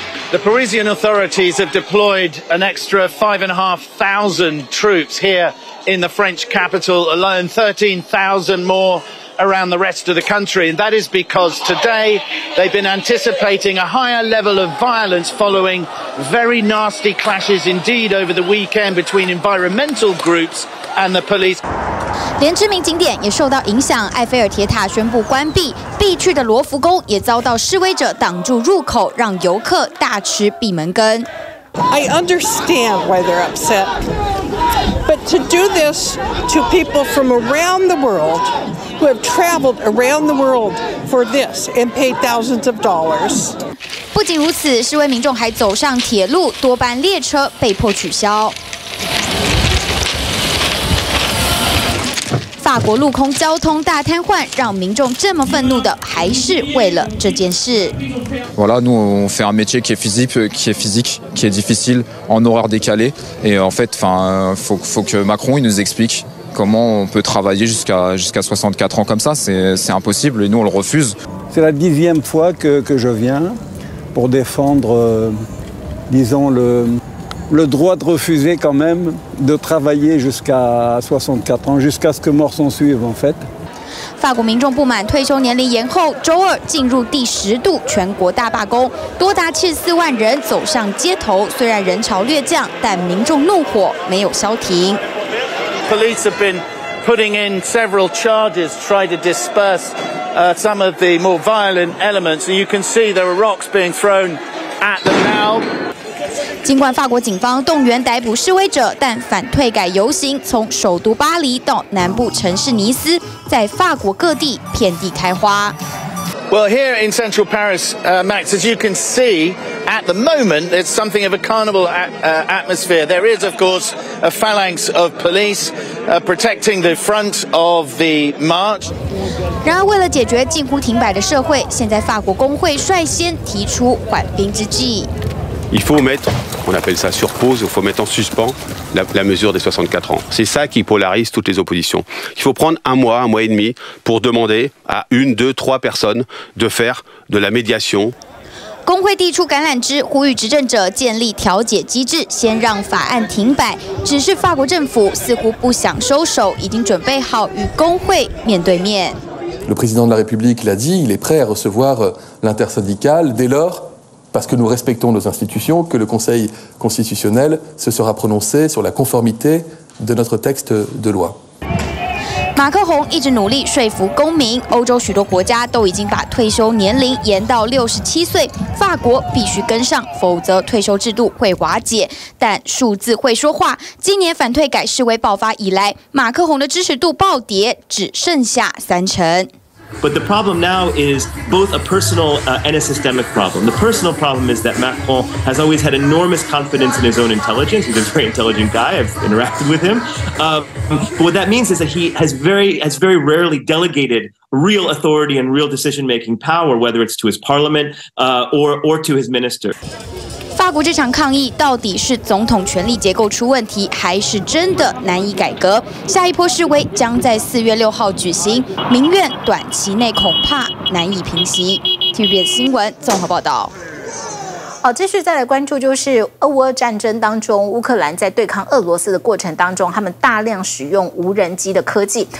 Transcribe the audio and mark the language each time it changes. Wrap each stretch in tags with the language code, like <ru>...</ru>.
<en>The Parisian authorities have deployed an extra 5,500 troops here in the French capital alone, 13,000 more around the rest of the country, and that is because today they've been anticipating a higher level of violence following very nasty clashes indeed over the weekend between environmental groups and the police.</en> <zh>连知名景点也受到影响，埃菲尔铁塔宣布关闭，必去的罗浮宫也遭到示威者挡住入口，让游客大吃闭门羹。</zh> <en>I understand why they're upset, but to do this to people from around the world who have traveled around the world for this and paid thousands of dollars.</en> <zh>不仅如此，示威民众还走上铁路，多班列车被迫取消。法国陆空交通大瘫痪，让民众这么愤怒的，还是为了这件事。</zh> <fr>Voilà, nous on fait un métier qui est physique, qui est difficile en horaire décalé. Et en fait, faut que Macron il nous explique comment on peut travailler jusqu'à 64 ans comme ça. C'est impossible et nous on le refuse. C'est la dixième fois que je viens pour défendre, disons le droit de refuser quand même de travailler jusqu'à 64 ans, jusqu'à ce que mort s'en suive en fait.</fr> <zh>法国民众不满退休年龄延后，周二进入第十度全国大罢工，多达74万人走上街头。虽然人潮略降，但民众怒火没有消停。</zh> <en>Police have been putting in several charges to try to disperse some of the more violent elements. You can see there are rocks being thrown at them now.</en> <zh>尽管法国警方动员逮捕示威者，但反退改游行从首都巴黎到南部城市尼斯，在法国各地遍地开花。</zh> <en>Well, here in central Paris, Max, as you can see, at the moment, it's something of a carnival atmosphere. There is, of course, a phalanx of police protecting the front of the march.</en> <zh>然而，为了解决近乎停摆的社会，现在法国工会率先提出缓兵之计。</zh> <fr>Il faut mettre, on appelle ça sur pause, il faut mettre en suspens la mesure des 64 ans. C'est ça qui polarise toutes les oppositions. Il faut prendre un mois et demi pour demander à une, deux, trois personnes de faire de la médiation.</fr> <zh>工会递出橄榄枝，呼吁执政者建立调解机制，先让法案停摆。只是法国政府似乎不想收手，已经准备好与工会面对面。</zh> <fr>Le président de la République l'a dit, il est prêt à recevoir l'intersyndicale dès lors. Parce que nous respectons nos institutions, que le Conseil constitutionnel se sera prononcé sur la conformité de notre texte de loi.</fr> <zh>马克宏一直努力说服公民，欧洲许多国家都已经把退休年龄延到67岁，法国必须跟上，否则退休制度会瓦解。但数字会说话，今年反退改示威爆发以来，马克宏的支持度暴跌，只剩下30%。</zh> <en>But the problem now is both a personal and a systemic problem. The personal problem is that Macron has always had enormous confidence in his own intelligence. He's a very intelligent guy. I've interacted with him. But what that means is that he has very rarely delegated real authority and real decision-making power, whether it's to his parliament or to his minister.</en> <zh>法国这场抗议到底是总统权力结构出问题，还是真的难以改革？下一波示威将在4月6号举行，民怨短期内恐怕难以平息。 TVBS 新闻综合报道。好，继续再来关注，就是俄乌战争当中，乌克兰在对抗俄罗斯的过程当中，他们大量使用无人机的科技。</zh>